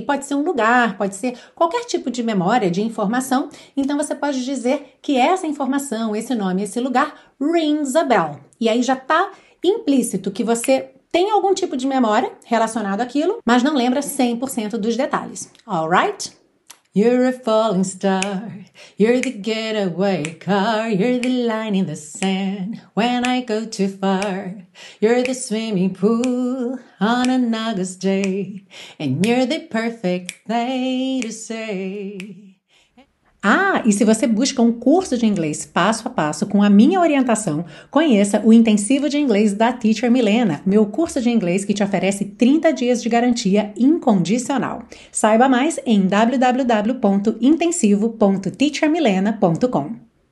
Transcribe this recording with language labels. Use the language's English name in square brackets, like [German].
[Portuguese] Pode ser um lugar, pode ser qualquer tipo de memória, de informação, então você pode dizer que essa informação, esse nome, esse lugar, [English] rings a bell. [Portuguese] E aí já está implícito que você tem algum tipo de memória relacionado àquilo, mas não lembra 100% dos detalhes, alright? [English] You're a falling star, you're the getaway car, you're the line in the sand when I go too far, you're the swimming pool on an August day, and you're the perfect thing to say. [Portuguese] Ah, e se você busca um curso de inglês passo a passo com a minha orientação, conheça o Intensivo de Inglês da Teacher Milena, meu curso de inglês que te oferece 30 dias de garantia incondicional. Saiba mais em www.intensivo.teachermilena.com.